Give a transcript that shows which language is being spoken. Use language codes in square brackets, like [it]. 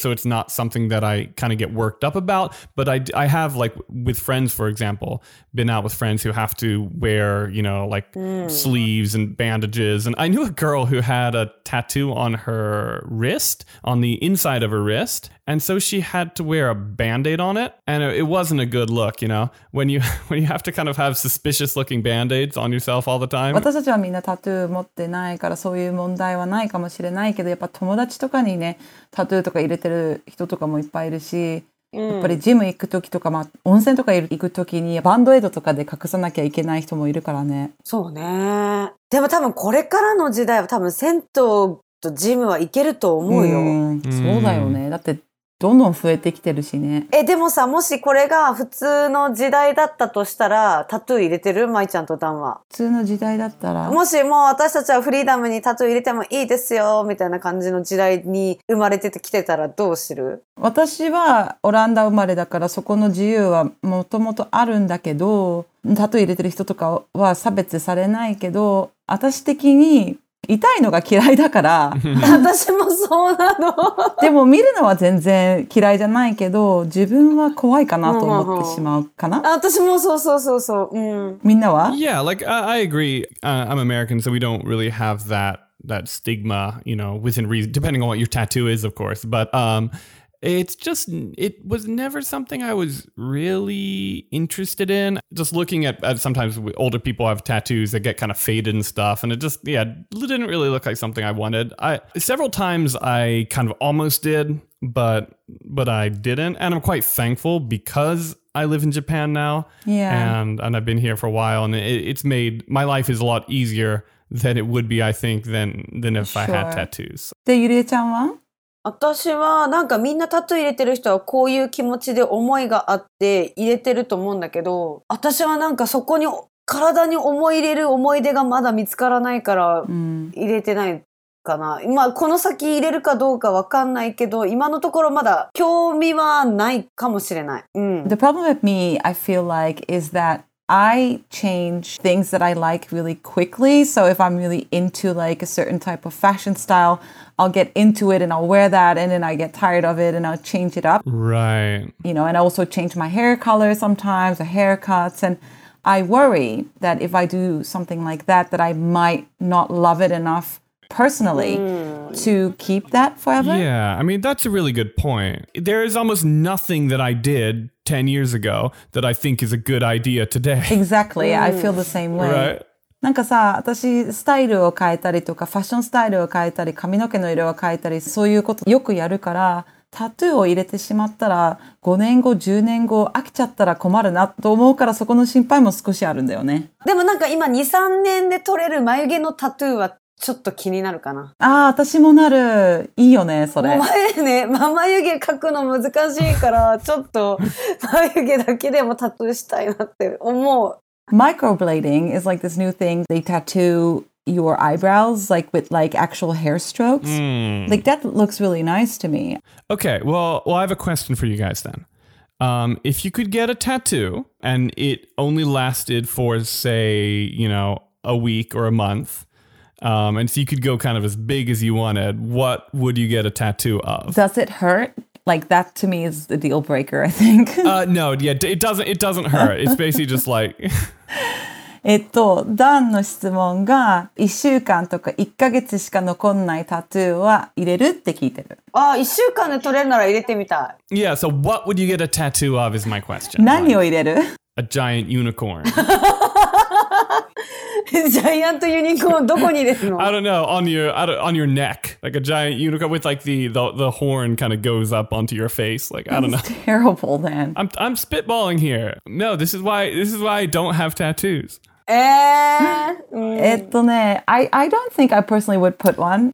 [en] So it's not something that I kind of get worked up about. But I have, like, with friends, for example, been out with friends who have to wear, you know, like sleeves and bandages. And I knew a girl who had a tattoo on her wrist, on the inside of her wrist. And so she had to wear a Band-Aid on it. And it wasn't a good look, you know, when you have to kind of have suspicious looking Band-Aids on yourself all the time. [ja] 私たちはみんなタトゥー持ってないからそういう問題はないかもしれないけど、やっぱ友達とかにね、タトゥーとか入れてる人とかもいっぱいいるし、やっぱりジム行くときとか、まあ、温泉とか行くときにバンドエイドとかで隠さなきゃいけない人もいるからね。そうね。でも多分これからの時代は多分銭湯とジムは行けると思うよ。そうだよね。だってどんどん増えてきてるしね。え、でもさ、もしこれが普通の時代だったとしたら、タトゥー入れてる？舞ちゃんとダンは。普通の時代だったら。もしもう私たちはフリーダムにタトゥー入れてもいいですよ、みたいな感じの時代に生まれててきてたらどうする？私はオランダ生まれだからそこの自由はもともとあるんだけど、タトゥー入れてる人とかは差別されないけど、私的に痛いのが嫌いだから私もそうなのでも見るのは全然嫌いじゃないけど自分は怖いかなと思ってしまうかな私もそうそうそうそう、うん、みんなは [en] Yeah, like I agree. I'm American, so we don't really have that stigma, you know, within reason, depending on what your tattoo is, of course. But it's just, it was never something I was really interested in. Just looking at sometimes older people have tattoos that get kind of faded and stuff. And it just, yeah, didn't really look like something I wanted. Several times I kind of almost did, but I didn't. And I'm quite thankful because I live in Japan now. Yeah. And I've been here for a while. And it's made, my life is a lot easier than it would be, I think, than if sure. I had tattoos. Did you get one? Well? [ja] 私はなんかみんなタトゥー入れてる人はこういう気持ちで思いがあって入れてると思うんだけど私はなんかそこに体に思い入れる思い出がまだ見つからないから入れてないかな、うん、まあこの先入れるかどうかわかんないけど今のところまだ興味はないかもしれない、うん、 [en] The problem with me I feel like is that I change things that I like really quickly so if I'm really into like a certain type of fashion styleI'll get into it and I'll wear that and then I get tired of it and I'll change it up. Right. You know, and I also change my hair color sometimes, the haircuts. And I worry that if I do something like that, that I might not love it enough personally to keep that forever. Yeah, I mean, that's a really good point. There is almost nothing that I did 10 years ago that I think is a good idea today. Exactly. I feel the same way. Right. [ja] なんかさ、私、スタイルを変えたりとか、ファッションスタイルを変えたり、髪の毛の色を変えたり、そういうことよくやるから、タトゥーを入れてしまったら、5年後、10年後、飽きちゃったら困るなと思うから、そこの心配も少しあるんだよね。でもなんか今、2、3年で取れる眉毛のタトゥーは、ちょっと気になるかな。ああ、私もなる。いいよね、それ。お前ね、まあ、眉毛描くの難しいから、ちょっと、眉毛だけでもタトゥーしたいなって思う。 [en] Microblading is like this new thing. They tattoo your eyebrows like with like actual hair strokes. Like that looks really nice to me. Okay, well, I have a question for you guys then. If you could get a tattoo and it only lasted for, say, you know, a week or a month, and so you could go kind of as big as you wanted, what would you get a tattoo of? Does it hurt? Like, that to me is the deal breaker, I think. No, yeah, it doesn't hurt. It's basically just like... [ja] ダンの質問が1週間とか1ヶ月しか残んないタトゥーは入れるって聞いてる。 1週間で取れるなら入れてみたい。 [en] Yeah, so what would you get a tattoo of is my question. [ja] 何を入れる? [en] A giant unicorn. [ja] ジャイアントユニコーンどこに入れるの [en] I don't know, on your neck. Like a giant unicorn with like the horn kind of goes up onto your face. Like, I don't know. That's terrible, man. I'm spitballing here. No, this is why I don't have tattoos. I don't think I personally would put one.